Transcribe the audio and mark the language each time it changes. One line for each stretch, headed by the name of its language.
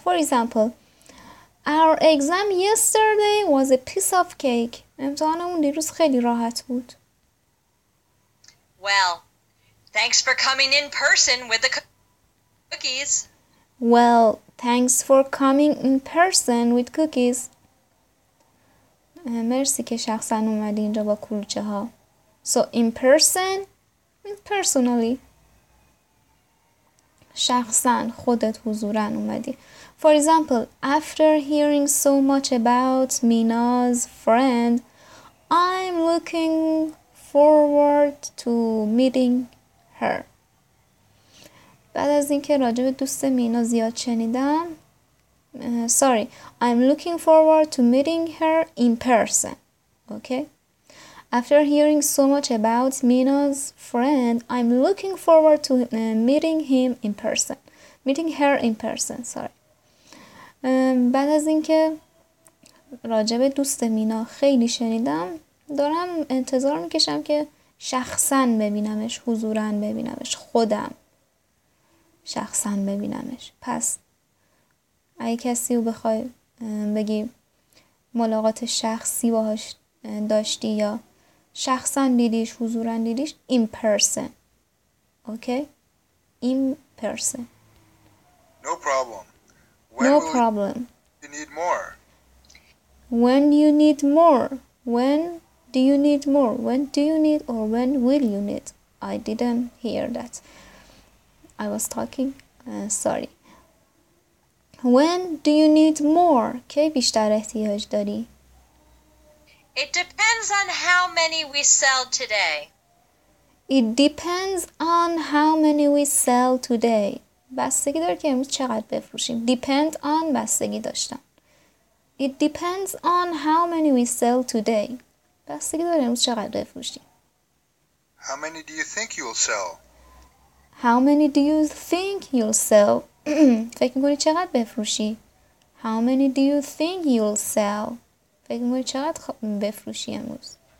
English: For example, our exam yesterday was a piece of cake.
Persian: امتحانمون دیروز خیلی راحت بود.
English: Well, thanks for coming in person with the cookies. Well, thanks for coming in person with cookies.
Persian: مرسی که شخصا اومدی اینجا با کلوچه ها.
English: So, in person means personally.
Persian: شخصاً خودت حضوراً اومدی.
English: For example, after hearing so much about Mina's friend, I'm looking forward to meeting her.
Persian: بعد از اینکه راجع به دوست مینا زیاد شنیدم
English: I'm looking forward to meeting her in person. Okay? After hearing so much about Mina's friend, I'm looking forward to meeting him in person. Meeting her in person, sorry.
Persian: بعد از اینکه راجع به دوست مینا خیلی شنیدم دارم انتظار میکشم که شخصاً ببینمش، حضوراً ببینمش، خودم شخصاً ببینمش. پس اگه کسی رو بخوای بگی ملاقات شخصی باهاش داشتی یا شخصاً دیدیش، حضوراً دیدیش، این پرسن. اوکی؟ این پرسن.
English: No problem. When no problem. You need more. When you need more. When do you need more? When do you need or when will you need? I didn't hear that. I was talking. Sorry. When do you need more?
Persian: کی بیشتر احتیاج داری؟
English: It depends on how many we sell today. It depends on how many we sell today.
Persian: بستگی داره که امروز چقدر بفروشیم.
English: Depend on
Persian: بستگی داشتن.
English: It depends on how many we sell today.
Persian: بستگی داره امروز چقدر بفروشیم.
English: How many do you think you'll sell? How many do you think you'll sell?
Persian: فکر میکنی چقدر بفروشی؟
English: How many do you think you'll sell?
Persian: فکر میکنی چقدر بفروشی امروز؟